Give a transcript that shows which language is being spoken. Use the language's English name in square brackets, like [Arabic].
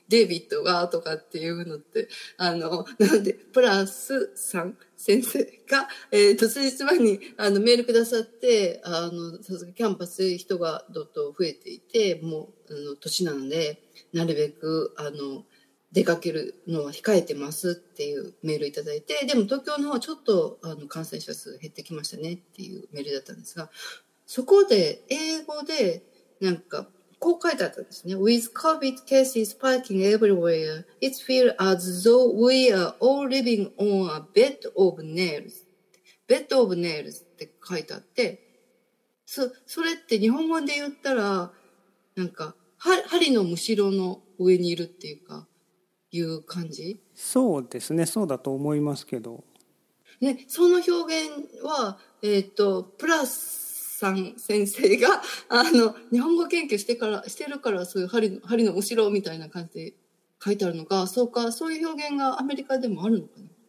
[Japanese] デイビッドがとかっていうのって。なので、プラスさん先生が、数日前にメールくださって、さすがキャンパス人がどっと増えていて、もう、年なので、なるべく、出かけるのは控えてますっていうメールいただいて、でも東京の方はちょっと、感染者数減ってきましたねっていうメールだったんですが、そこで英語でなんかこう書いてあったんですね。 [English] With COVID cases spiking everywhere, it feels as though we are all living on a bed of nails. [Japanese] Bed of nails って書いてあって、それって日本語で言ったらなんか針のむしろの上にいるっていうかいう感じ？そうですね。そうだと思いますけど。ね、その表現はプラス先生が日本語研究してるからそういう針の後ろみたいな感じで書いてあるのか、そうか、そういう表現がアメリカでもあるのかな。